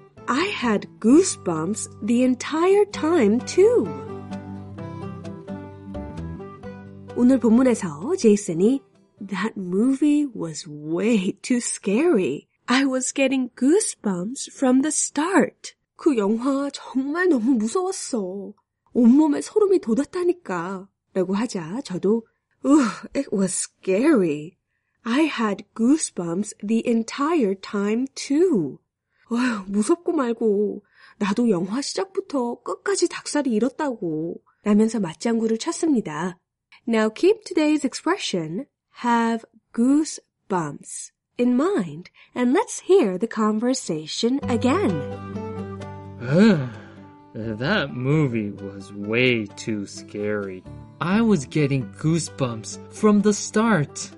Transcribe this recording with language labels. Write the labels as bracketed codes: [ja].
[en] I had goosebumps the entire time, too. [ko] 오늘 본문에서 제이슨이 [en] That movie was way too scary. I was getting goosebumps from the start. [ko] 그 영화 정말 너무 무서웠어. 온몸에 소름이 돋았다니까. 라고 하자 저도 [en] Ooh, it was scary. I had goosebumps the entire time too. [ko] 어휴, 무섭고 말고 나도 영화 시작부터 끝까지 닭살이 잃었다고 라면서 맞장구를 쳤습니다. [en] Now keep today's expression. Have goosebumps in mind, and let's hear the conversation again. That movie was way too scary. I was getting goosebumps from the start.